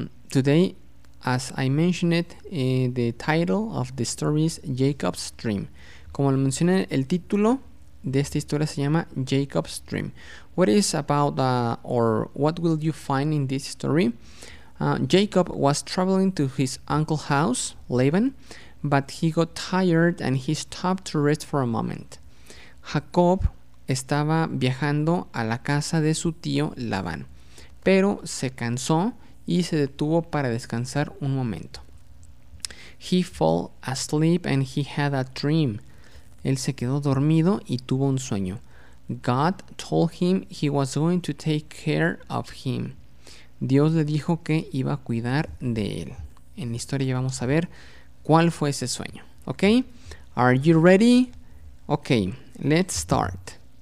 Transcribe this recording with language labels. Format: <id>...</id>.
<en>Today, as I mentioned it, the title of the story is Jacob's Dream.</en> <es>Como lo mencioné, el título de esta historia se llama Jacob's Dream.</es> <en>What is about or what will you find in this story? Jacob was traveling to his uncle's house, Laban, but he got tired and he stopped to rest for a moment.</en> <es>Jacob estaba viajando a la casa de su tío Labán, pero se cansó y se detuvo para descansar un momento.</es> <en>He fell asleep and he had a dream.</en> <es>Él se quedó dormido y tuvo un sueño.</es> <en>God told him he was going to take care of him.</en> <es>Dios le dijo que iba a cuidar de él. En la historia ya vamos a ver cuál fue ese sueño.</es> <en>¿Ok? Are you ready? Ok, let's start.</en>